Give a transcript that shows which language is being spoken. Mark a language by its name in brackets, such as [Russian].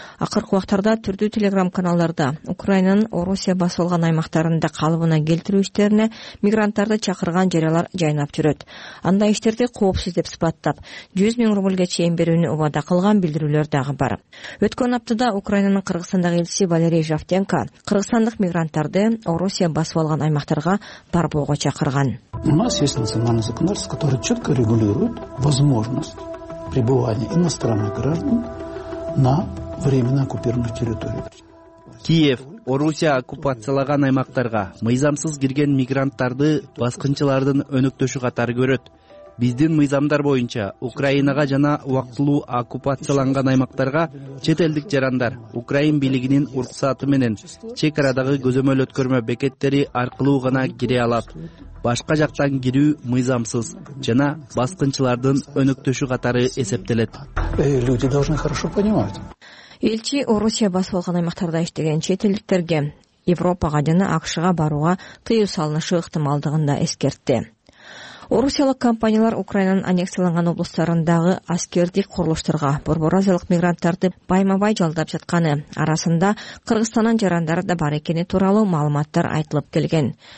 [Kyrgyz] Акыркы убактарда түрдүү телеграм каналдарда Украинанын Орусия басып алган аймактарында калыбына келтирүү иштерине мигранттарды чакырган жарыялар жайнап жүрөт. Андай иштерди коопсуз деп сыпаттап, 100 000 рублга чейин берүүнү убада кылган билдирүүлөр дагы бар. Өткөн аптада Украинанын Кыргызстандагы элчиси Валерий Жавтенко кыргызстандык мигранттарды Орусия басып алган аймактарга барбоого чакырган. [Russian] У нас есть национальный законодательство, которое четко регулирует возможность пребывания иностранных граждан на временно оккупированных территориях. [Kyrgyz] Киев Орусия оккупациялаган аймактарга мыйзамсыз кирген мигранттарды баскынчылардын өнөктөшү катары көрөт. Биздин мыйзамдар боюнча Украинага жана убактылуу оккупацияланган аймактарга чет элдик жарандар Украин бийлигинин уруксаты менен чек арадагы көзөмөл өткөрмө бекеттери аркылуу гана кире алат. Башка жактан кирүү мыйзамсыз жана баскынчылардын өнөктөшү катары эсептелет. [Russian] Люди должны хорошо понимать. [Kyrgyz] Элчи Орусия басып алган аймактарда иштеген чет элдиктерге Европага жана АКШга барууга тыюу салынышы ыктымалдыгын да эскертти. Орусиялык компаниялар Украинанын аннексияланган облустарындагы аскердик курулуштарга борбор азиялык мигранттарды байма-бай жалдап жатканы арасында Кыргызстандын жарандары да бар экени тууралуу маалыматтар айтылып келген.